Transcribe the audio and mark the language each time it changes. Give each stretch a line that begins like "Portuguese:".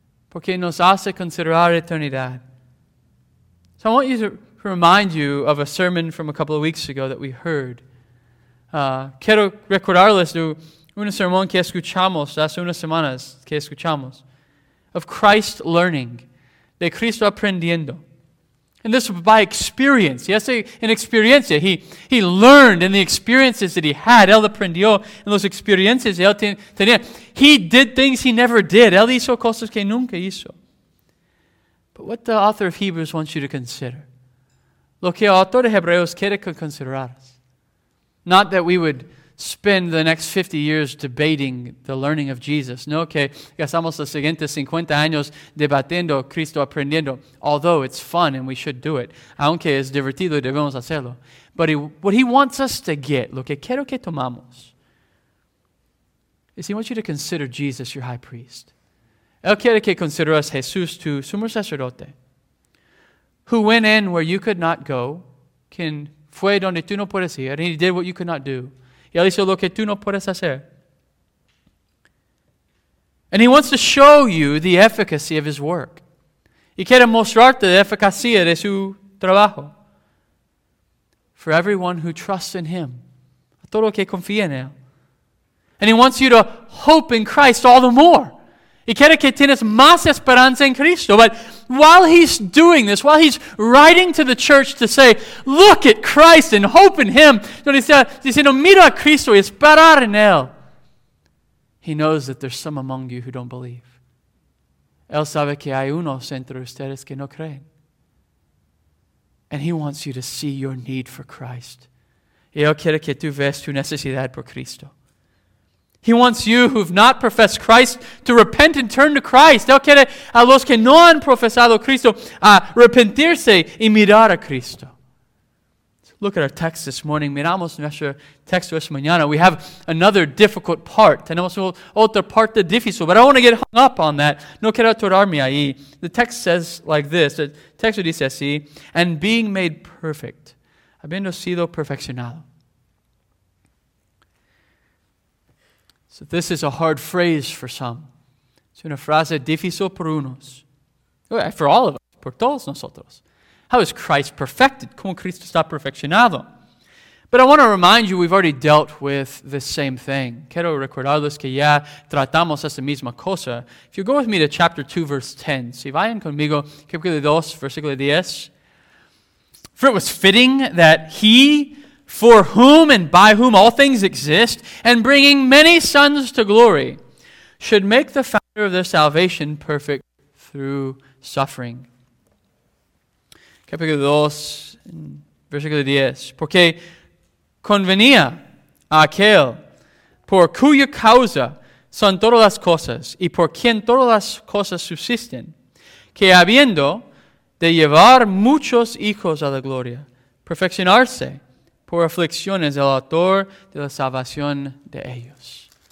Spanish: Porque nos hace considerar eternidad.
English: So I want you to remind you of a sermon from a couple of weeks ago that we heard.
Spanish: Quiero recordarles de un sermón que escuchamos hace unas semanas que escuchamos
English: of Christ learning,
Spanish: de Cristo aprendiendo.
English: And this was by experience. Yes,
Spanish: in experiencia.
English: He learned in the experiences that he had.
Spanish: Él aprendió en las experiencias que él tenía.
English: He did things he never did.
Spanish: Él hizo cosas que nunca hizo.
English: But what the author of Hebrews wants you to consider,
Spanish: lo que el autor de Hebreos quiere que consideraras,
English: not that we would spend the next 50 years debating the learning of Jesus.
Spanish: No, que gastamos los siguientes 50 años debatiendo Cristo aprendiendo.
English: Although it's fun and we should do it.
Spanish: Aunque es divertido y debemos hacerlo.
English: But what he wants us to get,
Spanish: lo que quiero que tomamos,
English: is he wants you to consider Jesus your high priest.
Spanish: Él quiere que consideras Jesús tu sumo sacerdote.
English: Who went in where you could not go,
Spanish: can fue donde tú no puedes ir,
English: and he did what you could not do.
Spanish: Y él hizo lo que tú no puedes hacer.
English: And he wants to show you the efficacy of his work.
Spanish: Y quiere mostrarte la eficacia de su trabajo.
English: For everyone who trusts in him.
Spanish: A todo que confía en él.
English: And he wants you to hope in Christ all the more.
Spanish: Y quiere que tienes más esperanza en Cristo.
English: But while he's doing this, while he's writing to the church to say, look at Christ and hope in him,
Spanish: donde está diciendo, mira a Cristo y esperar en él,
English: he knows that there's some among you who don't believe.
Spanish: Él sabe que hay unos entre ustedes que no creen.
English: And he wants you to see your need for Christ.
Spanish: Y él quiere que tú veas tu necesidad por Cristo.
English: He wants you who've not professed Christ to repent and turn to Christ.
Spanish: Él quiere a los que no han profesado Cristo a arrepentirse y mirar a Cristo.
English: Look at our text this morning.
Spanish: Miramos nuestro texto esta mañana.
English: We have another difficult part.
Spanish: Tenemos otra parte difícil.
English: But I want to get hung up on that.
Spanish: No quiero atorarme ahí.
English: The text says like this.
Spanish: The text dice así.
English: And being made perfect,
Spanish: habiendo sido perfeccionado.
English: So this is a hard phrase for some.
Spanish: Es una frase difícil por unos.
English: For all of us,
Spanish: por todos nosotros.
English: How is Christ perfected?
Spanish: ¿Cómo Cristo está perfeccionado?
English: But I want to remind you, we've already dealt with the same thing.
Spanish: Quiero recordarles que ya tratamos esa misma cosa.
English: If you go with me to chapter 2, verse 10.
Spanish: Si vayan conmigo, capítulo 2, versículo 10.
English: For it was fitting that he, for whom and by whom all things exist, and bringing many sons to glory, should make the founder of their salvation perfect through suffering.
Spanish: Capítulo 2, versículo 10. Porque convenía a aquel por cuya causa son todas las cosas, y por quien todas las cosas subsisten, que habiendo de llevar muchos hijos a la gloria, perfeccionarse, por aflicciones del autor de la salvación de ellos.